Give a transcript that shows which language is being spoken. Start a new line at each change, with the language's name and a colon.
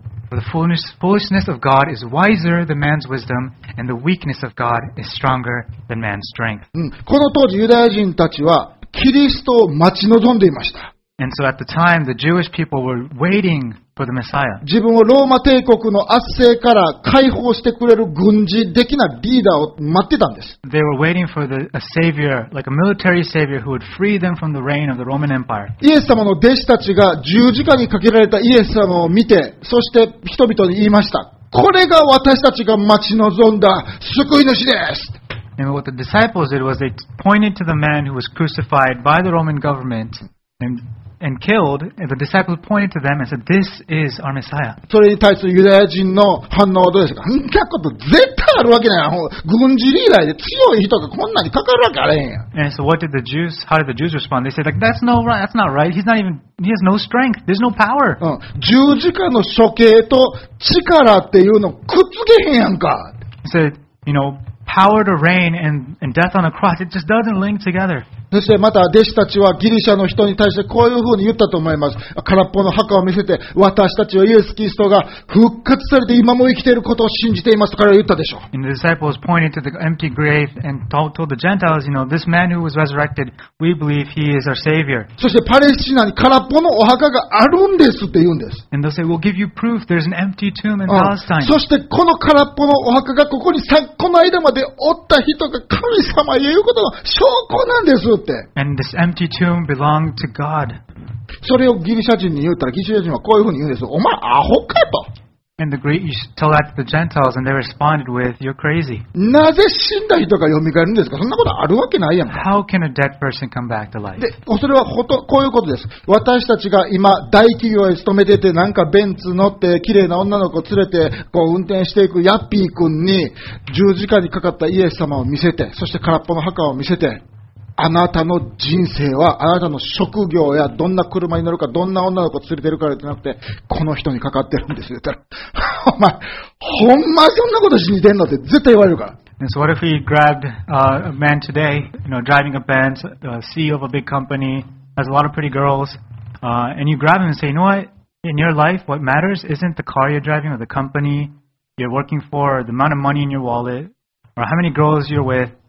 English: For the foolishness of God is wiser than man's wisdom, and the weakness of God is stronger than man's strength.
Japanese: この当時ユダヤ人たちはキリストを待ち望んでいました。
English: And so at the time, the Jewish people were waiting for the Messiah.
Japanese: 自分をローマ帝国の圧政から解放してくれる軍事的なリーダーを待ってたんです。
English: They were waiting for a savior, like a military savior who would free them from the reign of the Roman Empire.
Japanese: イエス様の弟子たちが十字架にかけられたイエス様を見て、そして人々に言いました。これが私たちが待ち望んだ救い主です。
English: And what the disciples did was they pointed to the man who was crucified by the Roman government and killed, and the disciples pointed to them and said, This is our Messiah.
Japanese: それに対するユダヤ人の反応はどうですか？んなこと絶対あるわけないやん。軍事リーダーで強い人がこんなにかかるわけあれへんやん。
English: And so what did the Jews, how did the Jews respond? They said, like, that's not right. He's not even, he has no strength. There's no power.
Japanese: 十字架の処刑と力っていうのくっつけへんやんか。
English: He said, you know,Power to reign and death on a cross, it just doesn't link together.
Japanese: そしてまた弟子たちはギリシャの人に対してこういうふうに言ったと思います。空っぽの墓を見せて、私たちはイエス・キリストが復活されて今も生きていることを信じていますから言ったでしょう。
English: The disciples pointed to the empty grave and told the Gentiles, you know, this man who was resurrected, we believe he is our Savior.
Japanese: そしてパレスチナに空っぽのお墓があるんですって言うんです。
English: And they'll say, we'll give you proof. There's an empty tomb in Palestine.
Japanese: そしてこの空っぽのお墓がここにさ、この間までおった人が神様言うことの証拠なんです。
English: And this empty tomb belonged to God.
Japanese: それをギリシャ人に言ったらギリシャ人はこういうふうに言うんです。お前アホかと。
English: And the Greek, you tell that to the Gentiles, and they responded with, "You're crazy."
Japanese: なぜ死んだ人が蘇るんですか。そんなことあるわけないやん。
English: How can a dead person come back to life?
Japanese: で、それはほとこういうことです。私たちが今大企業へ勤めててなんかベンツ乗って綺麗な女の子連れてこう運転していくヤッピー君に十字架にかかったイエス様を見せて、そして空っぽの墓を見せて。あなたの人生はあなたの職業やどんな車に乗るかどんな女の子を連れてるからじゃなくてこの人にかかってるんですよ。お前ほんまそんなことしに出んのって絶対言われるから。
English: And so what if we grabbed a man today, you know, driving a Benz, the CEO of a big company, has a lot of pretty girls, and you grab him and say, you know what, in your life, what matters isn't the car you're driving or the company you're working for, or the amount of money in your wallet, or how many girls you're with.